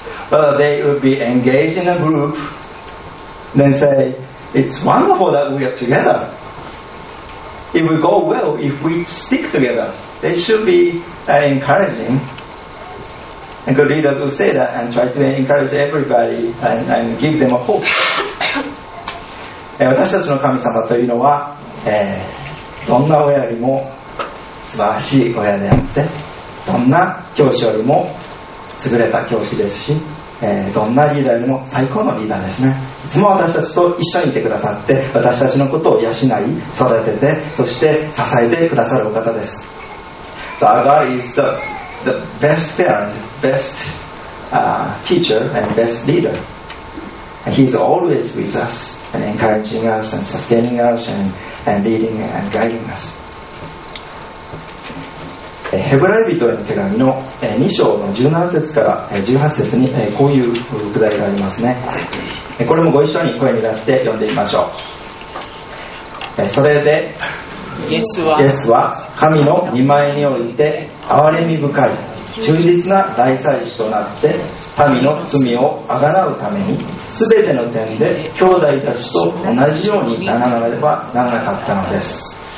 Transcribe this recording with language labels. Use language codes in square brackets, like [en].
[en] But they would be engaged in a group, then say, it's wonderful that we are together. It will go well if we stick together. They should be encouraging. And good leaders will say that and try to encourage everybody and give them a hope. [ja] 私たちの神様というのは、どんな親よりも素晴らしい親であって、どんな教師よりも優れた教師ですし、どんなリーダーよりも最高のリーダーですね。いつも私たちと一緒にいてくださって、私たちのことを養い、育てて、そして支えてくださるお方です。 [en] So our God is the best parent, best teacher, and best leader. And he's always with us, and encouraging us, and sustaining us, and leading and guiding us. [ja] ヘブライ人への手紙の2章の17節から18節にこういうくだりがありますね。これもご一緒に声に出して読んでみましょう。それでイエスは神の御前において憐れみ深い忠実な大祭司となって民の罪をあがなうためにすべての点で兄弟たちと同じようにならなければならなかったのです。